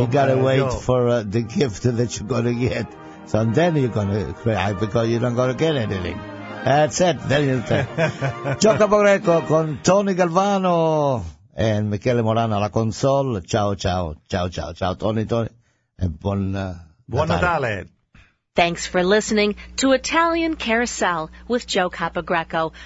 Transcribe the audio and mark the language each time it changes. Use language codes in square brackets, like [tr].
[en] You gotta wait for the gift that you're gonna get. So then you're gonna cry, because you're not gonna get anything. That's it. [it] Ciao Capogreco con Tony Galvano e Michele Morano alla console. Ciao, ciao, ciao, ciao, ciao, Tony. E buon Natale. [en] Thanks for listening to Italian Carousel with Joe Capogreco.